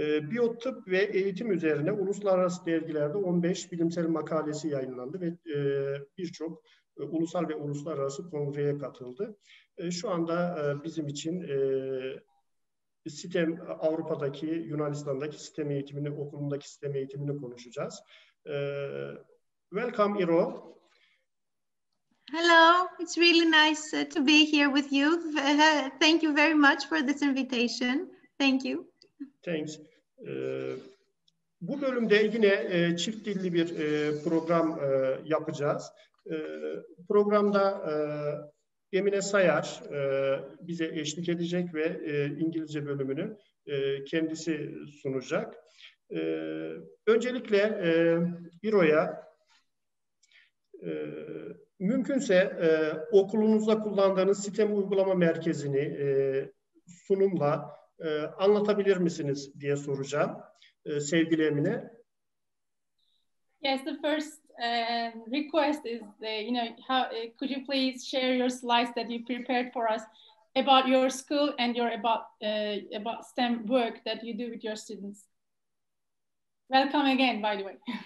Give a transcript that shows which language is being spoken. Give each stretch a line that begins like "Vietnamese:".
Turkish: Biyotıp ve eğitim üzerine uluslararası dergilerde 15 bilimsel makalesi yayınlandı ve birçok ulusal ve uluslararası kongreye katıldı. Şu anda bizim için sistem Avrupa'daki, Yunanistan'daki sistem eğitimini, okulundaki sistem eğitimini konuşacağız.
English: Welcome İro. Hello, it's really nice to be here with you. Thank you very much for this invitation. Thank you. Thanks.
Turkish: Bu bölümde yine çift dilli bir program yapacağız. Programda Emine Sayar bize eşlik edecek ve İngilizce bölümünü kendisi sunacak. Öncelikle İro'ya mümkünse okulunuzda kullandığınız sistem uygulama merkezini sunumla anlatabilir misiniz diye soracağım sevgili Emine.
English: Yes, the first request is, you know, how could you please share your slides that you prepared for us about your school and your about STEM work that you do with your students. Welcome again, by the way.